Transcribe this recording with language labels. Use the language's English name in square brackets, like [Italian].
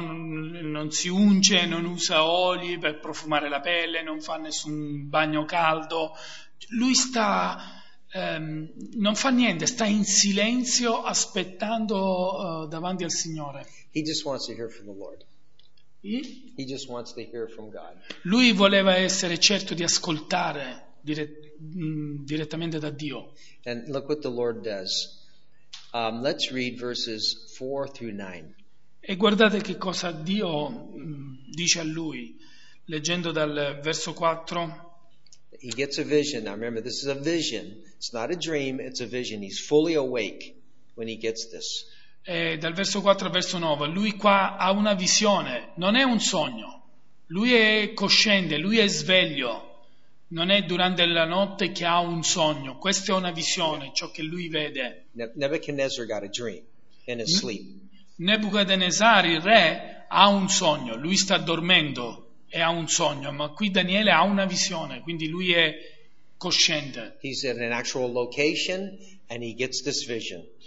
[Italian] Non si unge, non usa oli per profumare la pelle, non fa nessun bagno caldo. Lui sta, non fa niente, sta in silenzio aspettando davanti al Signore. [English] He just wants to hear from the Lord. He just wants to hear from God. [Italian] Lui voleva essere certo di ascoltare direttamente da Dio. [English] And look what the Lord does. Let's read verses 4 through 9. [Italian] E guardate che cosa Dio dice a lui, leggendo dal verso 4. [English] He gets a vision. Now remember, this is a vision. It's not a dream, it's a vision. He's fully awake when he gets this. [Italian] dal verso 4 al verso 9, lui qua ha una visione, non è un sogno, lui è cosciente, lui è sveglio, non è durante la notte che ha un sogno, questa è una visione, ciò che lui vede. [English] Nebuchadnezzar got a dream in his sleep. [Italian] Nebuchadnezzar, il re, ha un sogno, lui sta dormendo e ha un sogno, ma qui Daniele ha una visione, quindi lui è cosciente. [English] He's at an actual location and he gets this vision.